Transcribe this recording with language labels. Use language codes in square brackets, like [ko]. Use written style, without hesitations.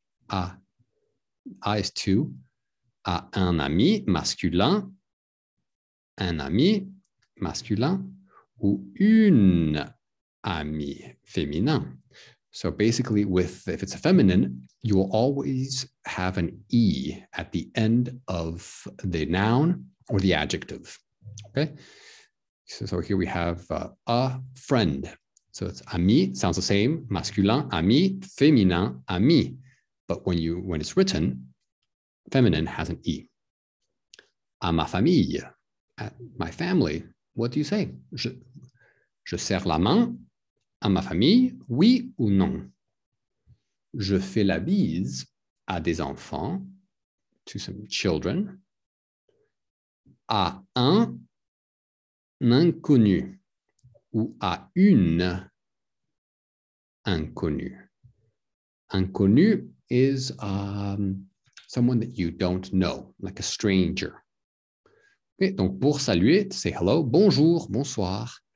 [fr] À, eyes to, à un ami masculin, un ami masculin, ou une amie féminin. [en] So basically, if it's a feminine, you will always have an E at the end of the noun or the adjective. Okay? So here we have a friend. So it's ami, sounds the same, masculin, ami, féminin, ami. But when it's written, feminine has an E. [fr] À ma famille, [en] at my family, what do you say? [fr] Je serre la main à ma famille, oui ou non? Je fais la bise à des enfants, [en] to some children, [fr] à un inconnu ou à une inconnue. [en] Inconnu is someone that you don't know, like a stranger. [fr] Okay, donc pour saluer, [en] say hello, [fr] bonjour, bonsoir.